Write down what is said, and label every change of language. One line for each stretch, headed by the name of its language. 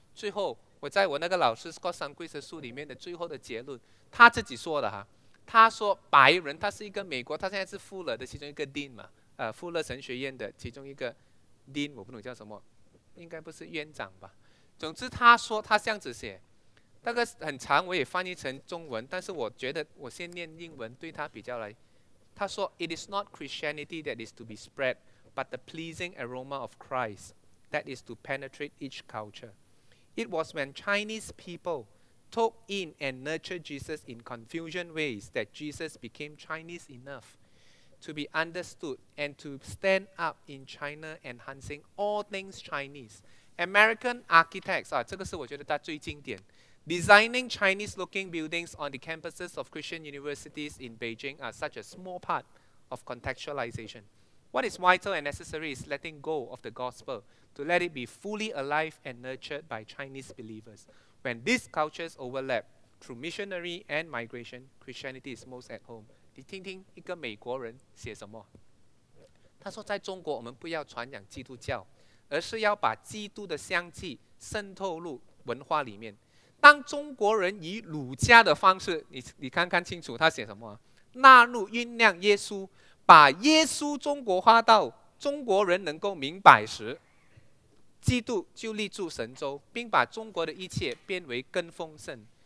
Chinese: 最后，我在我那个老师 Scott Sunquist 的书里面的最后的结论，他自己说的哈，他说白人，他是一个美国，他现在是富勒的其中一个 Dean 嘛，富勒神学院的其中一个 Dean，我不懂叫什么，应该不是院长吧？总之他说他这样子写，那个很长，我也翻译成中文，但是我觉得我先念英文，对他比较来。他说：“
English: It is not Christianity that is to be spread, but the pleasing aroma of Christ that is to penetrate each culture. It was when Chinese people took in and nurtured Jesus in confusion ways that Jesus became Chinese enough to be understood and to stand up in China, enhancing all things Chinese. American architects
Chinese: 啊，这个是我觉得它最经典。”
English: Designing Chinese-looking buildings on the campuses of Christian universities in Beijing are such a small part of contextualization. What is vital and necessary is letting go of the gospel to let it be fully alive and nurtured by Chinese believers. When these cultures overlap through missionary and migration, Christianity is most at home.
Chinese: 你听听一个美国人写什么？他说，在中国，我们不要传扬基督教，而是要把基督的香气渗透入文化里面。当中国人以儒家的方式，你看看清楚，他写什么？纳入酝酿耶稣，把耶稣中国化到中国人能够明白时，基督就立住神州，并把中国的一切变为更丰盛。